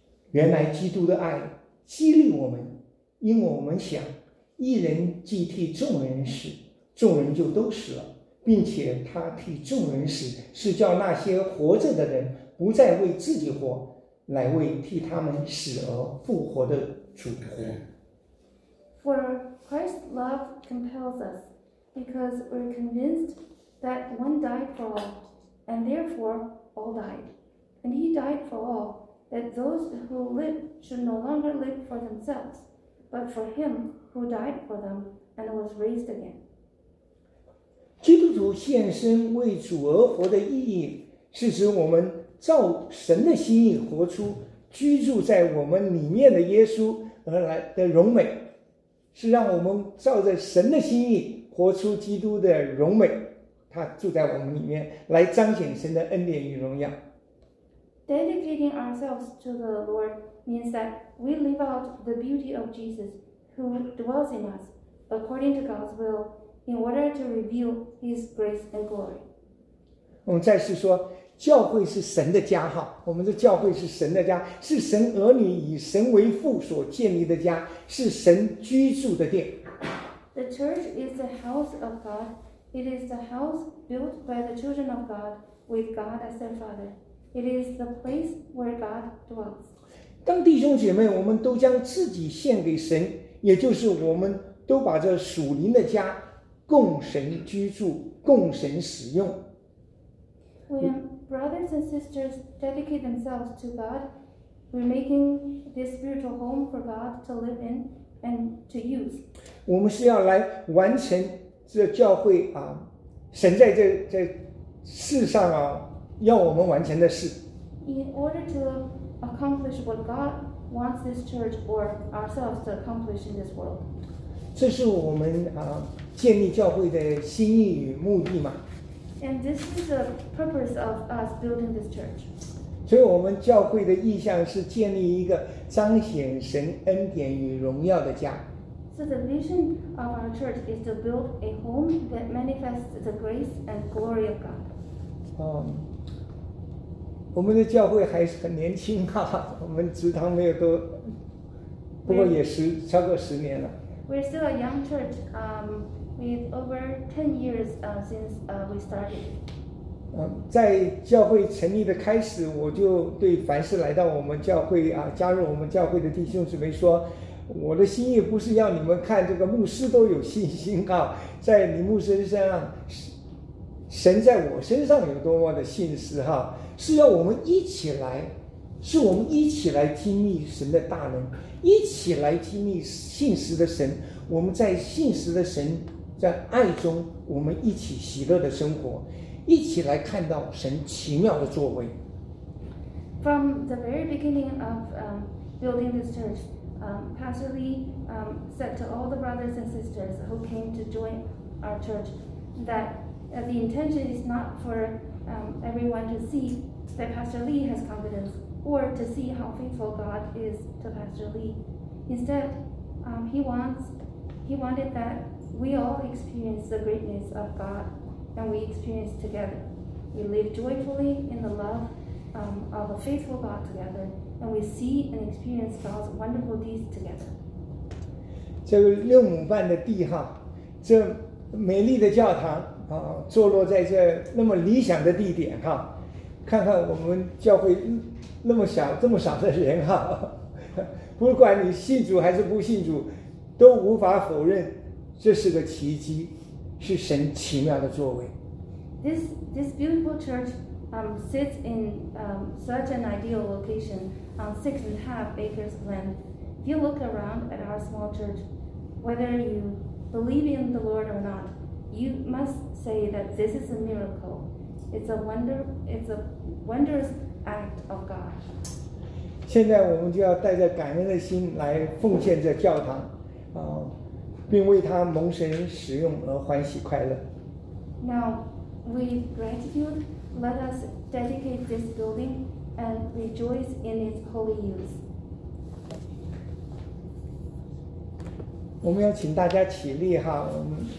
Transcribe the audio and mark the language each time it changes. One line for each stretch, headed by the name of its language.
Chinese: 原来基督的爱激励我们，因为我们想，一人既替众人死，众人就都死了，并且他替众人死，是叫那些活着的人不再为自己活，乃为替他们死而复活的主活。
English: For Christ's love compels us, because we're convinced that one died for all, and therefore all died. And he died for all, that those who live should no longer live for themselves, but for him who died for them and was raised again.
Chinese: 基督徒献身为主而活的意义是指我们照神的心意活出居住在我们里面的耶稣而来的荣美，是让我们照着神的心意活出基督的荣美，他住在我们里面，来彰显神的恩典与荣耀。
English: Dedicating ourselves to the Lord means that we live out the beauty of Jesus who dwells in us, according to God's will, in order to reveal His grace and glory.
Chinese: 我们再次说，教会是神的家哈，我们的教会是神的家，是神儿女以神为父所建立的家，是神居住的殿。
English: The church is the house of God. It is the house built by the children of God with God as their father. It is the place where God dwells.
Chinese: 当弟兄姐妹，我们都将自己献给神，也就是我们都把这属灵的家供神居住，供神使用。
English: When brothers and sisters dedicate themselves to God, we're making this spiritual home for God to live in. And to use.
Chinese: 我们是要来完成这教会啊，神在世上啊要我们完成的事。
English: In order to accomplish what God wants this church or ourselves to accomplish in this world.
Chinese: 这是我们啊建立教会的心意与目的嘛。
English: And this is the purpose of us building this church.
Chinese: 所以我们教会的意向是建立一个彰显神恩典与荣耀的家。
English: So the vision of our church is to build a home that manifests the grace and glory of God.
Chinese: 我们的教会还是很年轻啊，我们职堂没有多，不过也超过十年了。
English: We're still a young church, with over 10 years since we started.
Chinese: 在教会成立的开始，我就对凡是来到我们教会啊，加入我们教会的弟兄姊妹说，我的心意不是要你们看这个牧师都有信心啊，在你牧师身上，神在我身上有多么的信实哈、啊，是要我们一起来，是我们一起来经历神的大能，一起来经历信实的神，我们在信实的神在爱中，我们一起喜乐的生活。一起来看到神奇妙的作为。
English: From the very beginning of building this church, Pastor Lee said to all the brothers and sisters who came to join our church that the intention is not for everyone to see that Pastor Lee has confidence or to see how faithful God is to Pastor Lee. Instead, he wanted that we all experience the greatness of God. And we experience together. We live joyfully in the love of a faithful God together, and we see and experience God's wonderful deeds together.
Chinese: 这个六亩半的地哈，这美丽的教堂啊，坐落在这那么理想的地点哈，看看我们教会那么小这么少的人哈，不管你信主还是不信主，都无法否认这是个奇迹。是神奇妙的作为。
English: This beautiful church sits in such an ideal location on 6.5 acres of land. If you look around at our small church, whether you believe in the Lord or not, You must say that this is a miracle. It's a wonder. It's a wondrous act of God.
Chinese: 现在我们就要带着感恩的心来奉献这教堂，啊，并为他蒙神使用而欢喜快乐。
English: Now, with gratitude, let us dedicate this building and rejoice in its holy use.
Chinese: 我们要请大家起立哈，我们